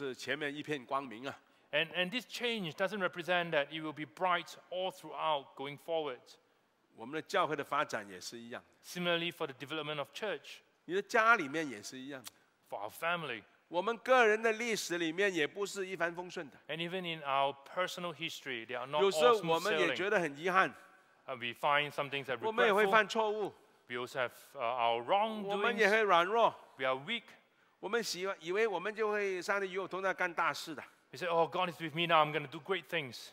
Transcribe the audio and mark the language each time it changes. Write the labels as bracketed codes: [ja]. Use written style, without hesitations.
[zh] 而且这个的改变的里面不等于就是哎呀，就是啊，这个都是前面一片光明啊。 [en] And this change doesn't represent that it will be bright all throughout going forward. [zh] 我们的教会的发展也是一样。 [en] Similarly for the development of church. [zh] 你的家里面也是一样。 [en] For our family. [zh] 我们个人的历史里面也不是一帆风顺的。 [en] And even in our personal history, they are not all smooth sailing. [zh] 有时候我们也觉得很遗憾。 [en] And we find some things that regretful. [zh] 我们也会犯错误。 [en] We also have our wrongdoings. [zh] 我们也会软弱。 [en] We are weak. [zh] 我们以为我们就会上帝与我同在干大事的。 [en] He said, oh, God is with me now, I'm going to do great things.